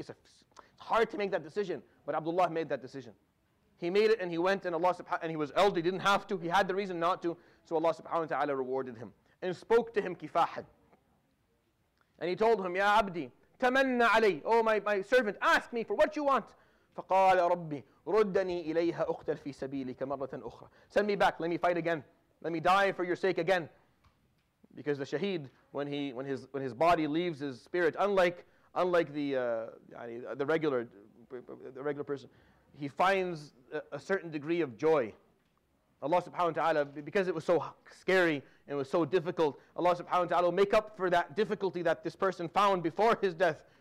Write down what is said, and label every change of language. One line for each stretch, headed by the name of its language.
English: It's hard to make that decision. But Abdullah made that decision. He made it and he went and Allah subhanahu and he was elderly, he didn't have to, he had the reason not to. So Allah subhanahu wa ta'ala rewarded him and spoke to him kifahan. And he told him,
Arabic: Ya Abdi, tamanna alay,
English: oh my servant, ask me for what you want.
Arabic: فقال ربي ردني إليها أقتل في سبيلك مرة أخرى.
English: Send me back. Let me fight again. Let me die for your sake again. Because the shaheed, when his body leaves his spirit, unlike the regular person, he finds a certain degree of joy. Allah subhanahu wa ta'ala, because it was so scary and it was so difficult, Allah subhanahu wa ta'ala will make up for that difficulty that this person found before his death.